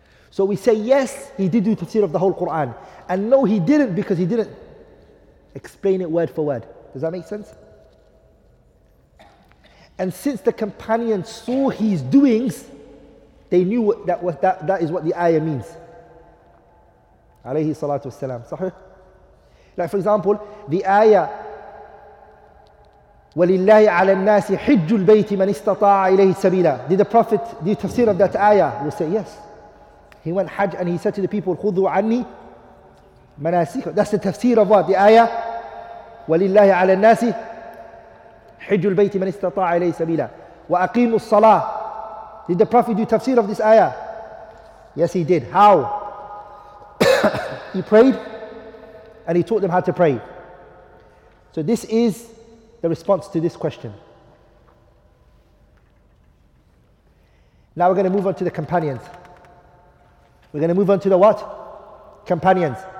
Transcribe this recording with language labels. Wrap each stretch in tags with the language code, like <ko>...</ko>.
<en>So we say, yes, he did do tafsir of the whole Quran. And no, he didn't, because he didn't explain it word for word. Does that make sense? And since the companions saw his doings, they knew that is what the ayah means. Alayhi salatu wasalam. Sahih? Like, for example, the ayah,</en> <ar>وَلِلَّهِ عَلَى النَّاسِ حِجُّ الْبَيْتِ مَنِ اسْتَطَاعَ إِلَيْهِ سَبِيلًا.</ar> <en>Did the Prophet, the tafsir of that ayah, will say yes. He went hajj and he said to the people,</en> <ar>خُذُوا عَنِّي مَنَاسِكُ.</ar> <en>That's the tafsir of what? The ayah,</en> <ar>وَلِلَّهِ عَلَى النَّاسِ حِجُّ الْبَيْتِ مَنِ اسْتَطَاعَ إِلَيْهِ سَبِيلًا وَأَقِيمُوا الصَّلَاةِ.</ar> <en>Did the Prophet do tafsir of this ayah? Yes, he did. How? He prayed and he taught them how to pray. So this is the response to this question. Now we're going to move on to the companions. We're going to move on to the what? Companions.</en>